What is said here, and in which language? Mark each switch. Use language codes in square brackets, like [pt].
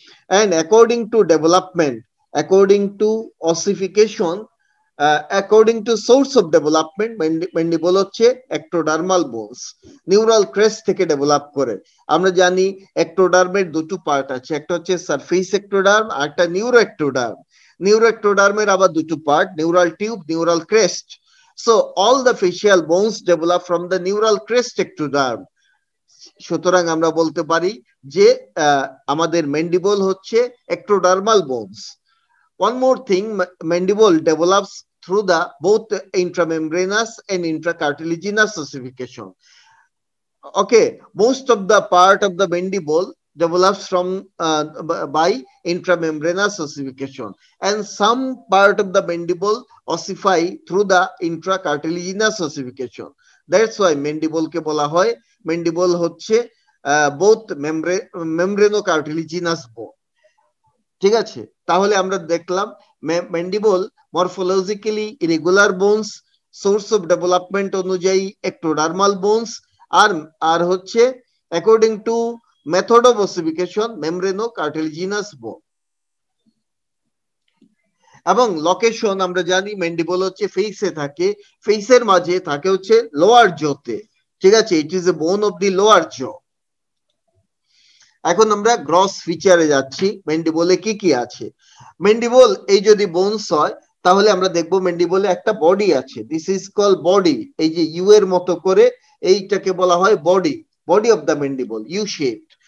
[en] and according to development, according to ossification, according to source of development, [bn] mandible হচ্ছে ectodermal bones, neural crest থেকে develop করে। আমরা জানি এক্টোডার্মের দুটো পার্ট আছে, একটা হচ্ছে সারফেস এক্টোডার্ম আর একটা নিউরো এক্টোডার্ম। নিউরো এক্টোডার্মের আবার দুটো part, neural tube, neural crest. [en] So all the facial bones develop from the neural crest ectoderm. [bn] সুতরাং আমরা বলতে পারি যে আমাদের মেন্ডিবল হচ্ছে ectodermal bones. [en] One more thing, mandible develops through the both intramembranous and intracartilaginous ossification. Okay, most of the part of the mandible develops from by intramembranous ossification, and some part of the mandible ossify through the intracartilaginous ossification. That's why [bn] mandible ke bola hoy, mandible hoche both membranocartilaginous bone. Thik ache, tahole amra dekhlam mandible morphologically irregular bones, source of development onujayi ectodermal bones, ar hoche according to method of ossification মেমব্রেনো কার্টিলিজিনাস বোন। এবং location, আমরা জানি mandible হচ্ছে ফেসে থাকে, ফেসের মাঝে থাকে হচ্ছে লোয়ার জোতে, ঠিক আছে, [en] It is a bone of the lower jaw. [bn] এখন আমরা গ্রস ফিচারে যাচ্ছি, মেন্ডিবলে কি কি আছে। মেন্ডিবল এই যদি বোনস হয় তাহলে আমরা দেখবো মেন্ডিবলে একটা বডি আছে, [en] this is call body, [bn] এই যে ইউ এর মতো করে এইটাকে বলা হয় body, body of the mandible, you shape.